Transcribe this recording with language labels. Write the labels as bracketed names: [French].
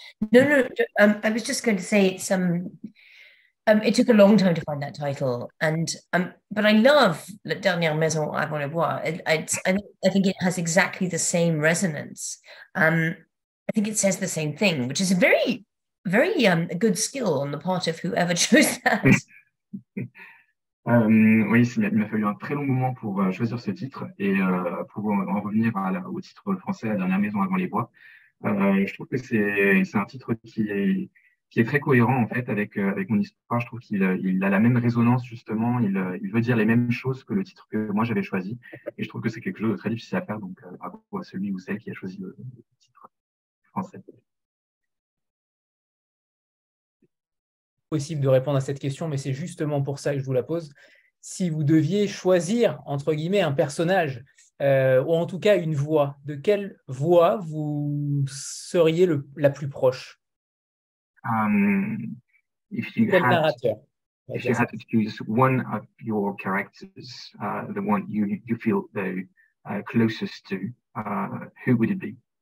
[English] No, I was just going to say it's it took a long time to find that title, and but I love La Dernière Maison avant le bois. I think it has exactly the same resonance. I think it says the same thing, which is a very, very good skill on the part of whoever chose that. [French] il m'a fallu un très long moment pour choisir ce titre et pour en revenir au titre français, La Dernière Maison avant les bois. Je trouve que c'est un titre qui est très cohérent en fait avec mon histoire. Je trouve qu'il a la même résonance justement, il veut dire les mêmes choses que le titre que moi j'avais choisi, et je trouve que c'est quelque chose de très difficile à faire, donc bravo à celui ou celle qui a choisi le titre français. Possible de répondre à cette question, mais c'est justement pour ça que je vous la pose. Si vous deviez choisir entre guillemets un personnage ou en tout cas une voix, de quelle voix vous seriez la plus proche? [English] If you had to choose one of your characters, the one you feel the closest to, who would it be?